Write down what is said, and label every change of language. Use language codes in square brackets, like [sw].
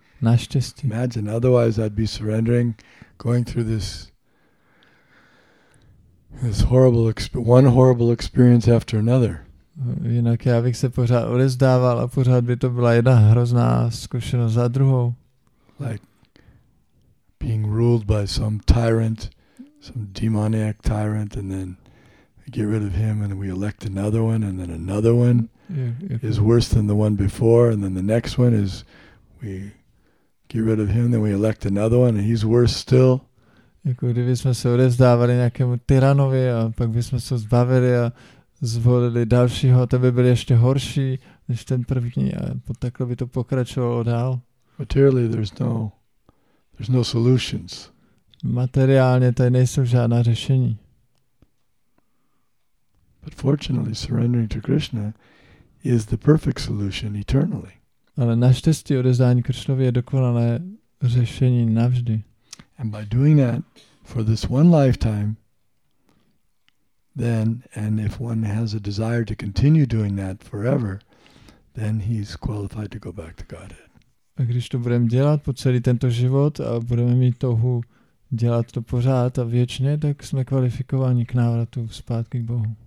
[cs] Naštěstí. [en] Imagine, otherwise I'd be surrendering, going through this horrible one horrible experience after another. [cs] Jinak já bych se pořád odevzdával a pořád by to byla jedna hrozná zkušenost za druhou. [en] Like being ruled by some tyrant, some demoniac tyrant, and then get rid of him and we elect another one and then another one is worse than the one before and then the next one is we get rid of him then we elect another one and he's worse still. [cs] Jako kdybychom se odevzdávali nějakému tyranovi a pak bychom se zbavili a zvolili dalšího, to by byl ještě horší než ten první a takhle by to pokračovalo dál. [en] Materially there's no solutions. [cs] Materiálně tady nejsou žádná řešení. [en] But fortunately, surrendering to Krishna is the perfect solution eternally. [cs] Ale naštěstí odevzdání Krišnovi je dokonalé řešení navždy. [en] And by doing that for this one lifetime, then, and if one has a desire to continue doing that forever, then he's qualified to go back to Godhead. [cs] A když to budeme dělat po celý tento život a budeme mít touhu dělat to pořád a věčně, tak jsme kvalifikováni k návratu zpátky k Bohu.